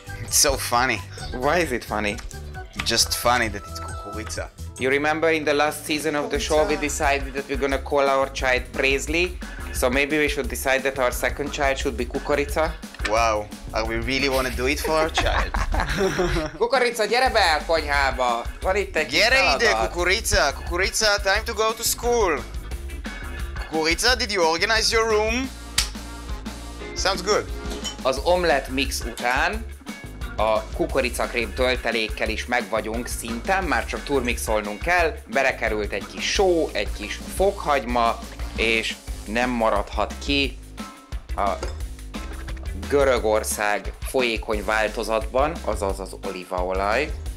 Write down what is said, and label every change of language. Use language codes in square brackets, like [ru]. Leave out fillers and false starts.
[en] It's so funny. Why is it funny? Just funny that it's kukorica. You remember in the last season of the show we decided that we're gonna call our child Presley? So maybe we should decide that our second child should be kukorica? Wow, are we really wanna do it for our child? [hu] Kukorica, gyere be a konyhába! Van itt egy gyere ide, kukorica! [en] Kukorica, time to go to school! Kukorica, did you organize your room? Sounds good. [hu] Az omlet mix után a kukoricakrém töltelékkel is megvagyunk szinten, már csak turmixolnunk kell, berekerült egy kis só, egy kis fokhagyma, és nem maradhat ki a Görögország folyékony változatban, azaz az olívaolaj.